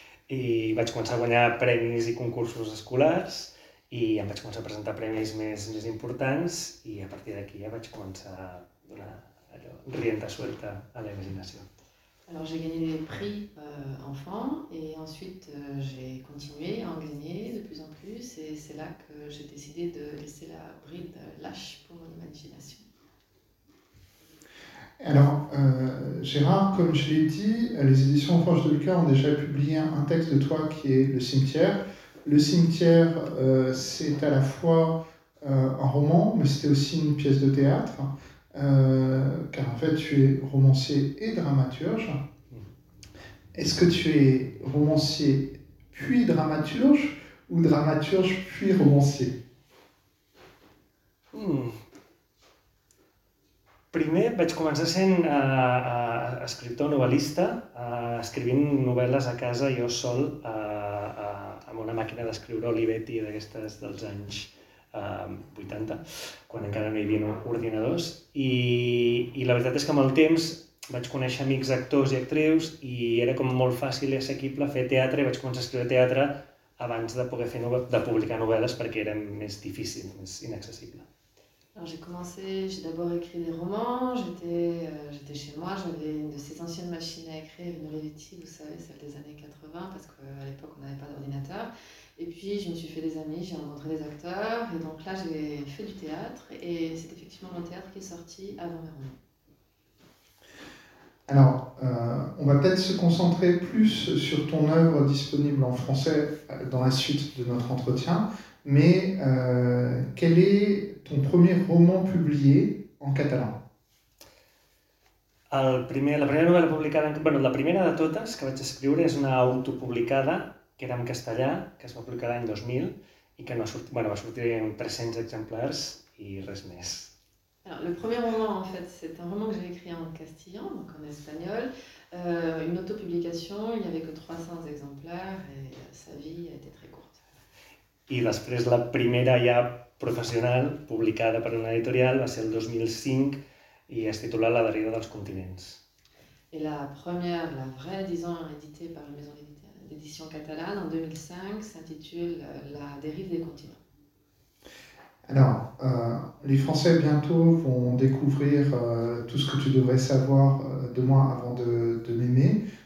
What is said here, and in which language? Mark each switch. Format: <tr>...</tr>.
<ca>I vaig començar a guanyar premis i concursos escolars. I em vaig començar a presentar premis més importants i a partir d'aquí ja vaig començar a donar allò,</ca> <es>rienda suelta</es> <ca>a la imaginació.</ca> <fr>Alors j'ai gagné des prix enfant et ensuite j'ai continué à en gagner de plus en plus et c'est là que j'ai décidé de laisser la bride lâche pour mon imagination. Alors, Gérard, comme je l'ai dit, les éditions Aux Forges de Lucain ont déjà publié un texte de toi qui est Le Cimetière. Le Cimetière, c'est à la fois un roman, mais c'était aussi une pièce de théâtre, car en fait tu es romancier et dramaturge. Est-ce que tu es romancier puis dramaturge ou dramaturge puis romancier?</fr> <ca>Primer vaig començar sent escriptor novel·lista, escrivint novel·les a casa jo sol, amb una màquina d'escriure Olivetti d'aquestes dels anys 80, quan encara no hi havia ordinadors. I la veritat és que amb el temps vaig conèixer amics actors i actrius i era com molt fàcil i assequible fer teatre i vaig començar a escriure teatre abans de poder de publicar novel·les perquè era més difícil, més inaccessible.</ca> <fr>Alors j'ai d'abord écrit des romans, j'étais chez moi, j'avais une de ces anciennes machines à écrire, une Olivetti, vous savez, celle des années 80, parce qu'à l'époque on n'avait pas d'ordinateur. Et puis je me suis fait des amis, j'ai rencontré des acteurs, et donc là j'ai fait du théâtre, et c'est effectivement mon théâtre qui est sorti avant mes romans. Alors, on va peut-être se concentrer plus sur ton œuvre disponible en français dans la suite de notre entretien, mais quel est ton premier roman publié en catalan?</fr> <ca>La primera novel·la publicada, bueno, la primera de totes que vaig escriure és una autopublicada que era en castellà, que es va publicar l'any 2000 i que no surt, bueno, va sortir en 300 exemplars i res més.</ca> <fr>Alors, le premier roman, en fait, c'est un roman que j'ai écrit en castillan, donc en espagnol. Une autopublication, il n'y avait que 300 exemplaires et sa vie a été très courte.</fr> <ca>I després la primera ja professional publicada per una editorial va ser el 2005 i es titula La darrera dels continents.</ca> <fr>Et la première, la vraie, disons, éditée par la maison d'édition catalane en 2005, s'intitule La dérive des continents. Alors, les Français bientôt vont découvrir tout ce que tu devrais savoir de moi avant de m'aimer.</fr>